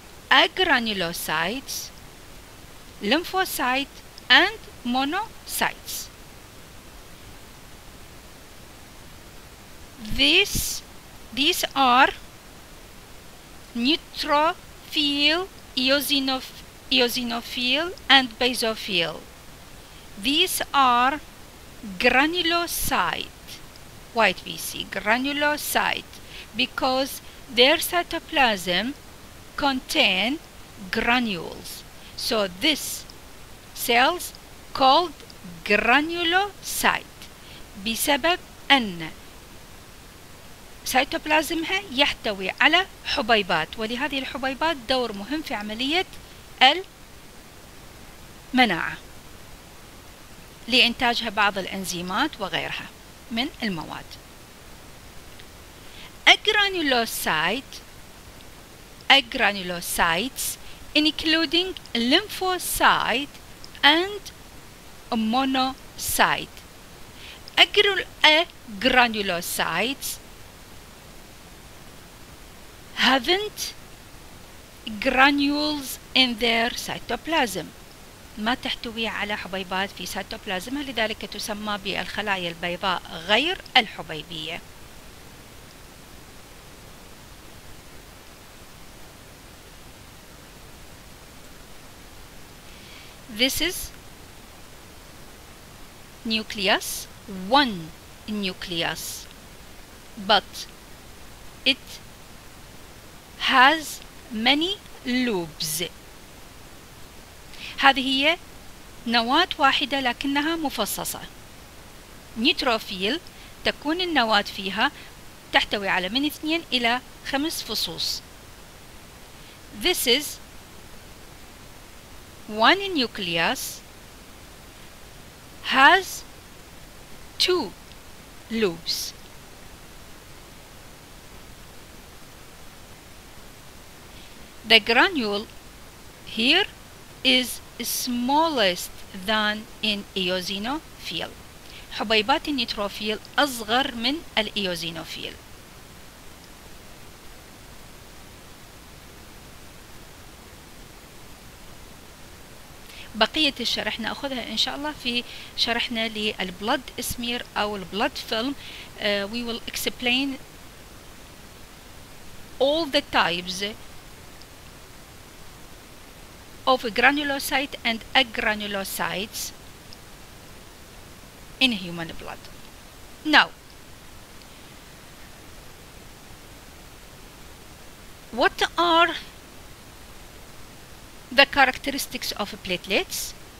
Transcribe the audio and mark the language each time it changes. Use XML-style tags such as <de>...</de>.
<en>Agranulocytes, lymphocytes, and monocytes. These are neutrophil, eosinophil, and basophil. These are granulocyte, white BC, granulocyte, because their cytoplasm contain granules, so this cells called granulocyte</en> <ar>بسبب أن cytoplasmها يحتوي على حبيبات، ولهذه الحبيبات دور مهم في عملية المناعة لإنتاجها بعض الإنزيمات وغيرها من المواد. Agranulocyte</ar> <en>agranulocytes, including lymphocyte and monocyte. Agranulocytes haven't granules in their cytoplasm.</en> <ar>ما تحتوي على حبيبات في سيتوبلازمها، لذلك تسمى بالخلايا البيضاء غير الحبيبية.</ar> <en>This is nucleus, one nucleus, but it has many lobes.</en> <ar>هذه هي نواة واحدة لكنها مفصصة. نيتروفيل تكون النواة فيها تحتوي على من 2 إلى 5 فصوص.</ar> <en>This is one nucleus has two lobes. The granule here is smallest than in eosinophil.</en> <ar>حبيبات النيتروفيل أصغر من الإيوزينوفيل. بقية الشرح نأخذها إن شاء الله في شرحنا للبلد اسمير أو البلد فيلم.</ar> <en>We will explain all the types of granulocyte and agranulocytes in human blood. Now, what are the characteristics of platelets?</en>